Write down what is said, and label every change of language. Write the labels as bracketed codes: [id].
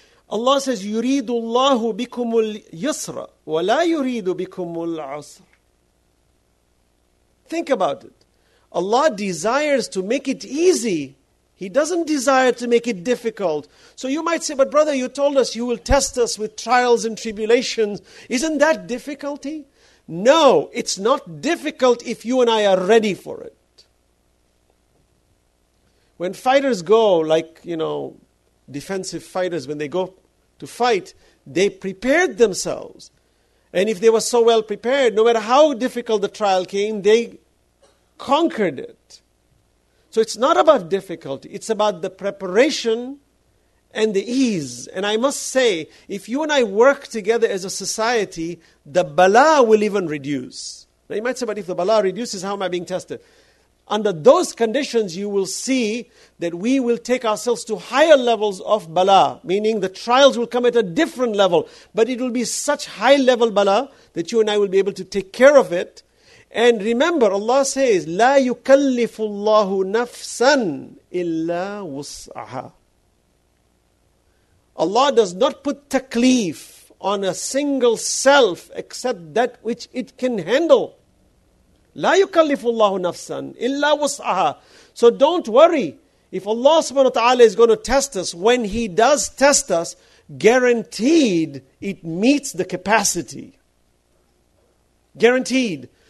[en] Allah says, [ar] يُرِيدُ اللَّهُ بِكُمُ الْيُسْرَ وَلَا يُرِيدُ بِكُمُ الْعُسْرَ. [en] Think about it. Allah desires to make it easy. He doesn't desire to make it difficult. So you might say, but brother, you told us you will test us with trials and tribulations. Isn't that difficulty? No, it's not difficult if you and I are ready for it. When fighters go, like, you know, defensive fighters, when they go to fight, they prepared themselves. And if they were so well prepared, no matter how difficult the trial came, they conquered it. So it's not about difficulty. It's about the preparation and the ease. And I must say, if you and I work together as a society, the bala will even reduce. Now you might say, but if the bala reduces, how am I being tested? Under those conditions, you will see that we will take ourselves to higher levels of bala, meaning the trials will come at a different level. But it will be such high level bala that you and I will be able to take care of it. And remember, Allah says, [ar] لَا يُكَلِّفُ اللَّهُ نَفْسًا إِلَّا وُسْعَهَا. [en] Allah does not put taklif on a single self except that which it can handle. [ar] لَا يُكَلِّفُ اللَّهُ نَفْسًا إِلَّا وُسْعَهَا. [en] So don't worry. If Allah subhanahu wa ta'ala is going to test us, when He does test us, guaranteed it meets the capacity. Guaranteed.